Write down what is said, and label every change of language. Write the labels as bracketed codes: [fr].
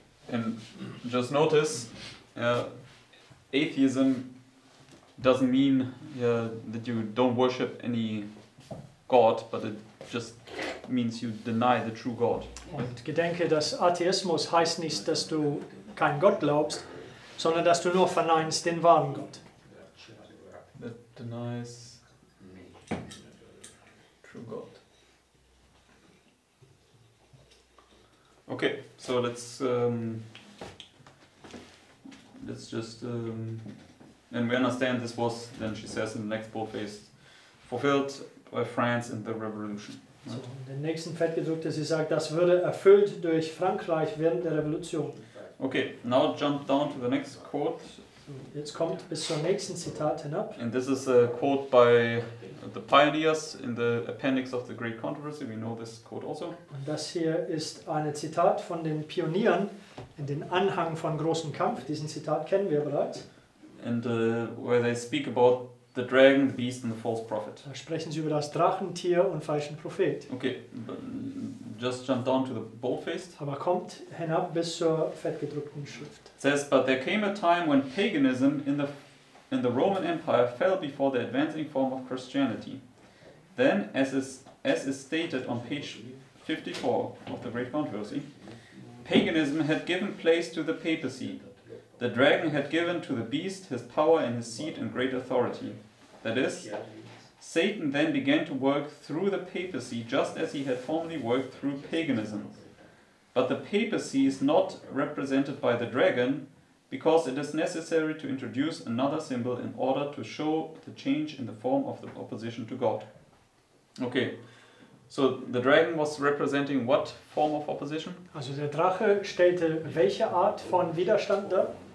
[en] And just notice, atheism doesn't mean that you don't worship any God, but it just means you deny the true God. [de] Und gedenke, dass Atheismus heißt nicht, dass du keinen Gott glaubst, sondern dass du nur verneinst den wahren Gott. [en] That denies true God. Okay, so let's just and we understand this was, then she says in the next boldface, fulfilled by France and the Revolution. [de] So, in den nächsten Fett gedruckt, sie sagt, das würde erfüllt durch Frankreich während der Revolution. [en] Okay, now jump down to the next quote. [de] So, jetzt kommt bis zum nächsten Zitat hinab. [en] And this is a quote by the pioneers in the appendix of the Great Controversy. We know this quote also. [de] Und das hier ist ein Zitat von den Pionieren in den Anhang von Großen Kampf. Diesen Zitat kennen wir bereits. [en] And where they speak about the dragon, the beast, and the false prophet. [de] Da sprechen sie über das Drachentier und falschen Prophet. [en] Okay, just jump down to the bold-faced. [de] Aber kommt hinab bis zur fettgedruckten Schrift. [en] It says, but there came a time when paganism in the Roman Empire fell before the advancing form of Christianity. Then, as is stated on page 54 of the Great Controversy, paganism had given place to the papacy. The dragon had given to the beast his power and his seat and great authority. That is, Satan then began to work through the papacy just as he had formerly worked through paganism. But the papacy is not represented by the dragon because it is necessary to introduce another symbol in order to show the change in the form of the opposition to God. Okay, so the dragon was representing what form of opposition? [de] Also der Drache stellte welche Art von Widerstand dar?